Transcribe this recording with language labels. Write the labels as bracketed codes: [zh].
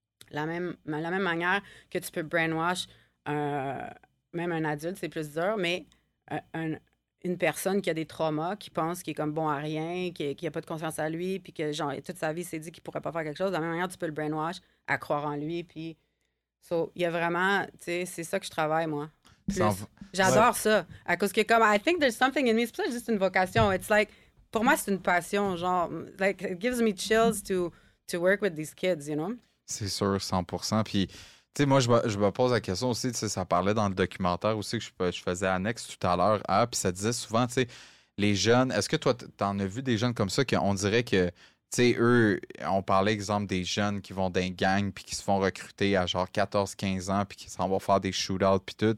[fr] La même manière que tu peux brainwash même un adulte, c'est plus dur, mais une personne qui a des traumas, qui pense qu'il est comme bon à rien, qu'il a pas de confiance à lui, puis que genre toute sa vie s'est dit qu'il pourrait pas faire quelque chose. De la même manière, tu peux le brainwash à croire en lui. Puis, so, il y a vraiment, tu sais, c'est ça que je travaille, moi. J'adore ça. À cause que, comme, [en] I think there's something in me. [fr] C'est pas juste une vocation. [en] It's like, [fr] pour moi, c'est une passion. [en] Genre, like, it gives me chills to work with these kids, you know? [fr] C'est sûr, 100%. Puis, tu sais, moi, je me pose la question aussi, tu sais, ça parlait dans le documentaire aussi que je faisais annexe tout à l'heure. Ah, puis ça disait souvent, tu sais, les jeunes, est-ce que toi, t'en as vu des jeunes comme ça qu'on dirait que, tu sais, eux, on parlait, exemple, des jeunes qui vont dans les gangs puis qui se font recruter à genre 14-15 ans puis qui s'en vont faire des shootouts puis tout.